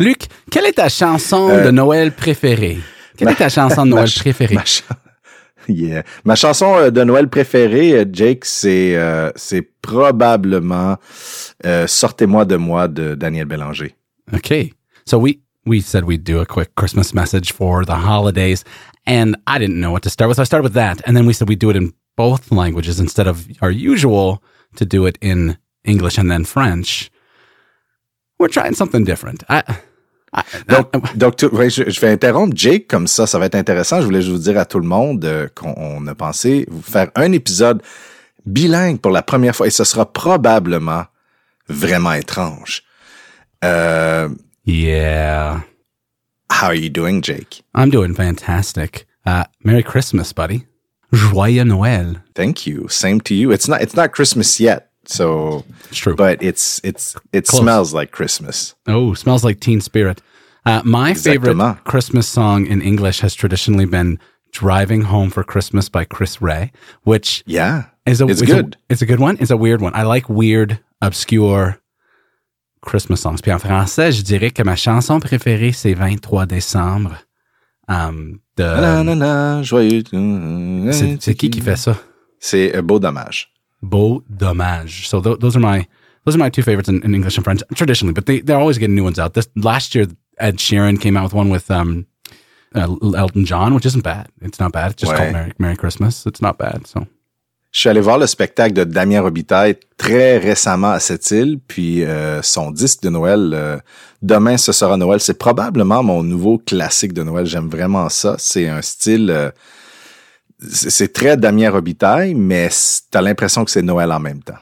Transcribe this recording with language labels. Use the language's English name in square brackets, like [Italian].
[French] Luc, quelle est ta chanson de Noël préférée? Ma chanson de Noël préférée, Jake, c'est probablement Sortez-moi de moi de Daniel Bélanger. [English] Okay. So we said we'd do a quick Christmas message for the holidays, and I didn't know what to start with. So I started with that, and then we said we'd do it in both languages instead of our usual to do it in English and then French. We're trying something different. [French] Je vais interrompre Jake comme ça. Ça va être intéressant. Je voulais juste vous dire à tout le monde qu'on a pensé vous faire un épisode bilingue pour la première fois. Et ce sera probablement vraiment étrange. [English] Yeah. How are you doing, Jake? I'm doing fantastic. Merry Christmas, buddy. [French] Joyeux Noël. [English] Thank you. Same to you. It's not Christmas yet. So it's true, but it's close. Smells like Christmas. Oh, smells like Teen Spirit. My favorite Christmas song in English has traditionally been Driving Home for Christmas by Chris Rea, which it's a good one. It's a weird one. I like weird, obscure Christmas songs. [French] Puis en français, je dirais que ma chanson préférée, c'est 23 décembre. Joyeux. C'est qui fait ça? C'est Beau Dommage. Beau Dommage. [English] So those are my two favorites in English and French traditionally, but they're always getting new ones out. This last year, Ed Sheeran came out with one with Elton John, which isn't bad. It's not bad. It's just called Merry Christmas. It's not bad. So [French] je suis allé voir le spectacle de Damien Robitaille très récemment à cette île, puis son disque de Noël, Demain ce sera Noël. C'est probablement mon nouveau classique de Noël. J'aime vraiment ça. C'est un style. C'est très Damien Robitaille, mais t'as l'impression que c'est Noël en même temps.